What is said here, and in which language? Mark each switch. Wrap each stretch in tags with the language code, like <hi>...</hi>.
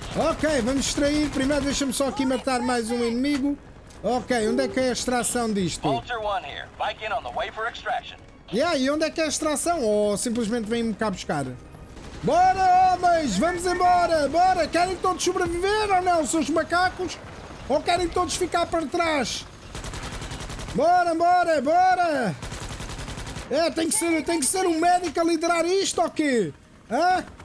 <pt>Ok, vamos extrair. Primeiro deixa-me só aqui matar mais um inimigo. Ok, onde é que é a extração disto?</pt> <en>Vulture 1 here, Viking on the way for extraction.</en> <pt>Yeah, e onde é que é a extração? Ou simplesmente vem-me cá buscar? Bora, homens! Vamos embora! Bora! Querem todos sobreviver ou não, seus macacos? Ou querem todos ficar para trás? Bora, bora, bora! É, tem que ser um médico a liderar isto ou quê? Hã?</pt>